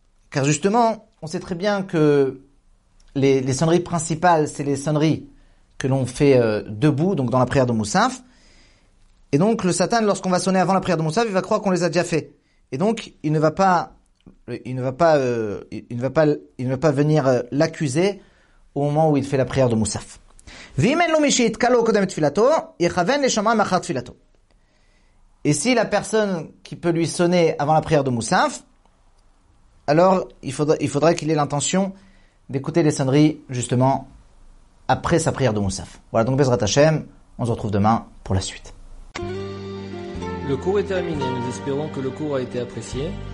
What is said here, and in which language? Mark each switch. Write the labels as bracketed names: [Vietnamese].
[French] Car, justement, on sait très bien que les sonneries principales, c'est les sonneries que l'on fait debout, donc dans la prière de Moussaf. Et donc, le Satan, lorsqu'on va sonner avant la prière de Moussaf, il va croire qu'on les a déjà fait. Et donc, il ne va pas venir l'accuser au moment où il fait la prière de Moussaf. [Hebrew] ואם אין לו מי שיתקל לו קודם תפילתו, יכוון לשמה מאחר תפילתו. [French] Et si la personne qui peut lui sonner avant la prière de Moussaf, alors il faudrait qu'il ait l'intention d'écouter les sonneries justement après sa prière de Moussaf. Voilà, donc Bezrat Hashem, on se retrouve demain pour la suite. Le cours est terminé, nous espérons que le cours a été apprécié.